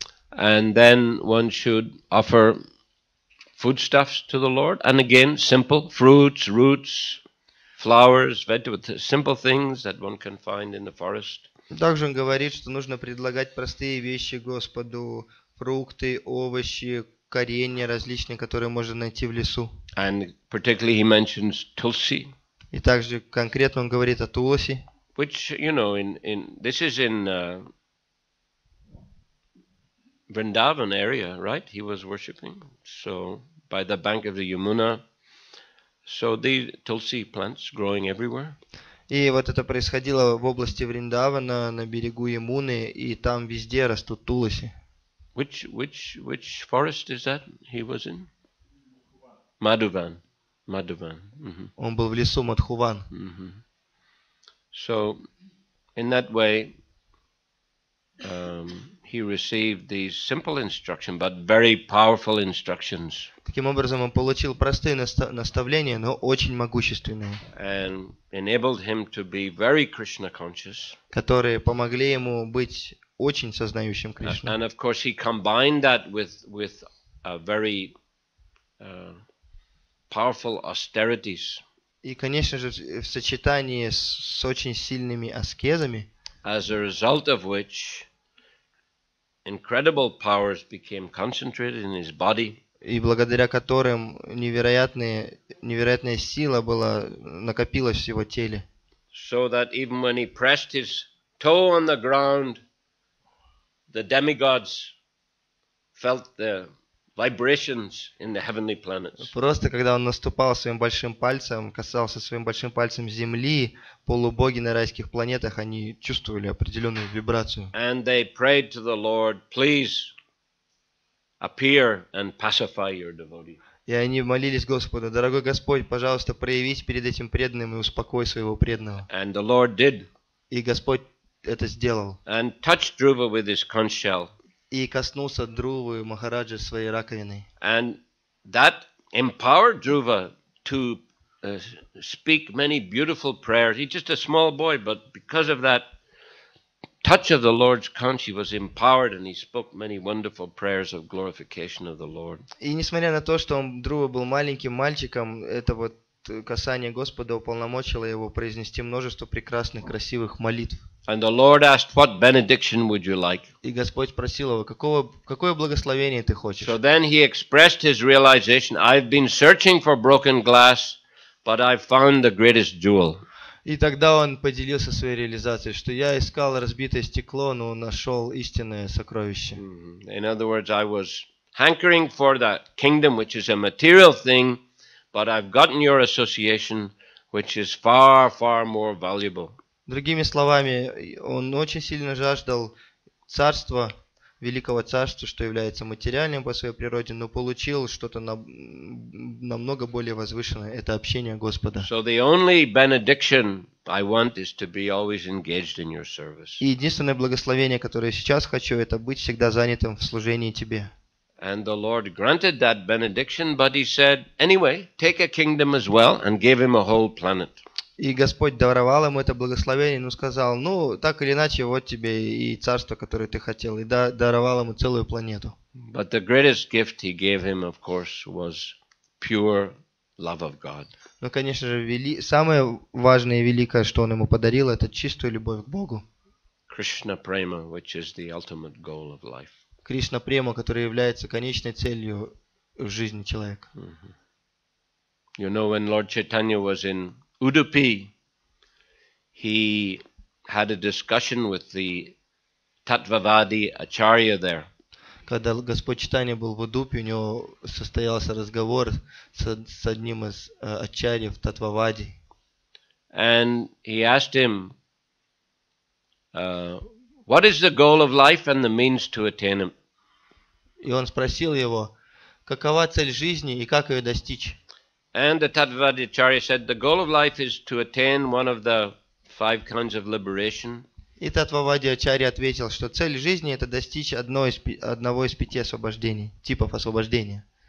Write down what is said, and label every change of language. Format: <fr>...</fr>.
<en>And then one should offer foodstuffs to the Lord, and again, simple fruits, roots, flowers, vegetables, simple things that one can find in the forest.</en> <ru>Также он говорит, что нужно предлагать простые вещи Господу: фрукты, овощи, коренья различные, которые можно найти в лесу.</ru> <en>And particularly he mentions tulsi.</en> <ru>И также конкретно он говорит о тулси.</ru> <en>Which, you know, this is in Vrindavan area, right? He was worshipping. So by the bank of the Yamuna. So the tulsi plants growing everywhere.</en> <ru>И вот это происходило в области Вриндавана на берегу Ямуны, и там везде растут тулоси.</ru> <en>Which forest is that he was in? Madhuvan.</en> <ru>Mm-hmm. Он был в лесу Мадхуван. Mm-hmm.</ru> <en>So in that way he received these simple instructions, but very powerful instructions.</en> <ru>Таким образом, он получил простые наставления, но очень могущественные.</ru> <en>And enabled him to be very Krishna conscious.</en> <ru>Которые помогли ему быть очень сознающим Кришну.</ru> <en>And of course, he combined that with a very powerful austerities.</en> <ru>И, конечно же, в сочетании с очень сильными аскезами.</ru> <en>As a result of which incredible powers became concentrated in his body.</en> <ru>И благодаря которым невероятная сила была накопилась в его теле.</ru> <en>So that even when he pressed his toe on the ground, the demigods felt the vibrations in the heavenly planets.</en> <ru>Просто когда он наступал своим большим пальцем, касался своим большим пальцем земли, полубоги на райских планетах, они чувствовали определенную вибрацию.</ru> <en>And they prayed to the Lord, please appear and pacify your devotee.</en> <ru>И они молились Господу: дорогой Господь, пожалуйста, проявись перед этим преданным и успокой своего преданного.</ru> <en>And the Lord did.</en> <ru>И Господь это сделал.</ru> <en>And touched Dhruva with his conch shell.</en> <ru>И коснулся Друвы Махараджа своей раковиной.</ru> <en>And that empowered Dhruva to speak many beautiful prayers. He's just a small boy, but because of that touch of the Lord's conch, he was empowered, and he spoke many wonderful prayers of glorification of the Lord.</en> <ru>И несмотря на то, что Друва был маленьким мальчиком, это вот касание Господа уполномочило его произнести множество прекрасных, красивых молитв.</ru> <en>And the Lord asked, "What benediction would you like?"</en> <ru>И Господь спросил его: какое благословение ты хочешь?</ru> <en>So then he expressed his realization: "I've been searching for broken glass, but I've found the greatest jewel."</en> <ru>И тогда он поделился своей реализацией, что я искал разбитое стекло, но нашел истинное сокровище. Mm-hmm.</ru> <en>In other words, I was hankering for that kingdom, which is a material thing, but I've gotten your association, which is far, far more valuable.</en> <ru>Другими словами, он очень сильно жаждал царства, великого царства, что является материальным по своей природе, но получил что-то намного более возвышенное – это общение Господа.</ru> <en>So the only benediction I want is to be always engaged in your service.</en> <ru>И единственное благословение, которое я сейчас хочу, это быть всегда занятым в служении тебе.</ru> <en>And the Lord granted that benediction, but he said, anyway, take a kingdom as well, and gave him a whole planet.</en> <ru>И Господь даровал ему это благословение, но сказал: ну, так или иначе, вот тебе и царство, которое ты хотел, и даровал ему целую планету.</ru> <en>But the greatest gift he gave him, of course, was pure love of God.</en> <ru>Но, конечно же, самое важное и великое, что он ему подарил, это чистую любовь к Богу.</ru> <en>Krishna prema, which is the ultimate goal of life.</en> <ru>Кришна према, которая является конечной целью в жизни человека.</ru> <en>You know, when Lord Chaitanya was in Udupi, he had a discussion with the Tattvavadi Acharya there.</en> <ru>Когда Господь Читания был в Удупи, у него состоялся разговор с одним из ачарьев Таттвавади.</ru> <en>And he asked him, what is the goal of life and the means to attain it?</en> <ru>И он спросил его, какова цель жизни и как ее достичь?</ru> <en>And the Tattvavadi Acharya said, the goal of life is to attain one of the five kinds of liberation.</en> <ru>И Татвавади Ачарья ответил, что цель жизни – это достичь одного из пяти освобождений, типов освобождения.</ru>